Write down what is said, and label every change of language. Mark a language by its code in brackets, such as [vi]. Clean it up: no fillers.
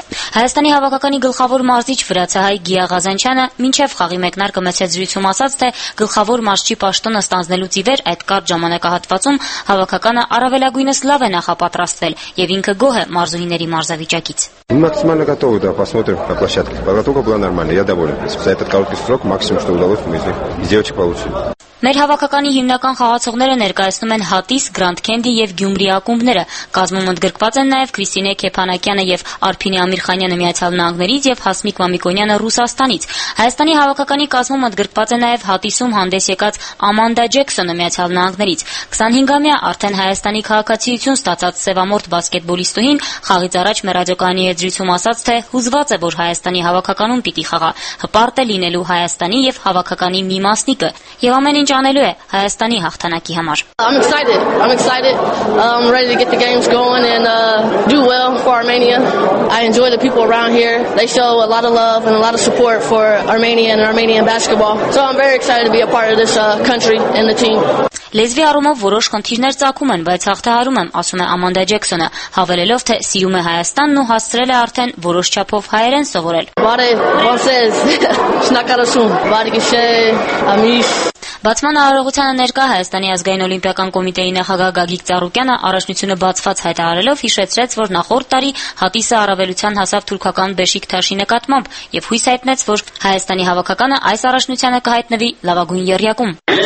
[hy] Հայաստանի հավաքականի գլխավոր մարզիչ վրացահայ Գիա Ղազանչյանը մինչև խաղի մեկնարկը մեծ զրույցում ասաց, թե գլխավոր մարզչի պաշտոնը ստանձնելուց ի վեր այդ կարճ ժամանակահատվածում հավաքականը առավելագույնս լավ է նախապատրաստվել և ինքը գոհ է մարզուհիների մարզավիճակից։ [ru] Максимально готовы, да, посмотрим на площадке. Подготовка была нормальная, я доволен. За этот короткий срок максимум, что удалось, мы из девочек получили. [hy] Մեր հավաքականի հիմնական խաղացողները ներկայացնում են Հատիս, Grand Candy և Գյումրի ակումբները։ Կազմում ընդգրկված են նաև Քրիստինե Քեփանակյանը և Արփինե Ամիրխանյանը Միացյալ Նահանգներից և Հասմիկ Մամիկոնյանը Ռուսաստանից։ Հայաստանի հավաքականի կազմում ընդգրկված է նաև Հատիսում հանդես եկած Ամանդա Ջեքսոնը Միացյալ Նահանգներից։ 25-ամյա արդեն հայաստանի քաղաքացիություն ստացած սևամորթ բասկետբոլիստուհին խաղից առաջ մեր ռադիոկայանի եզրույցում ասաց, թե հուզված է, որ հայաստանի հավաքականում պիտի խաղա, հպարտ է լինելու հայաստանի և հավաքականի մի մասնիկը, և ամեն ինչ անելու է Հայաստանի հաղթանակի համար։ [en] I'm excited. I'm ready to get the games going and do well for Armenia. I enjoy the people around here. They show a lot of love and a lot of support for Armenia and Armenian basketball. So I'm very excited to be a part of this country and the team. [hy] Լեզվի առումով որոշ խնդիրներ ծագում են, բայց հաղթահարում եմ, ասում է Ամանդա Ջեքսոնը, հավելելով, թե սիրում է Հայաստանն ու հասցրել է արդեն որոշ չափով հայերեն սովորել։ Բացման առողջությանը ներկա Հայաստանի ազգային օլիմպիական կոմիտեի նախագահ Գագիկ Ծառուկյանը առաջնությունը բացված հայտարարելով հիշեցրեց, որ նախորդ տարի Հատիսը առավելության հասավ թուրքական Բեշիկտաշի նկատմամբ եւ հույս հայտնեց, որ Հայաստանի հավաքականը այս առաջնությանը կհայտնվի լավագույն երյակում։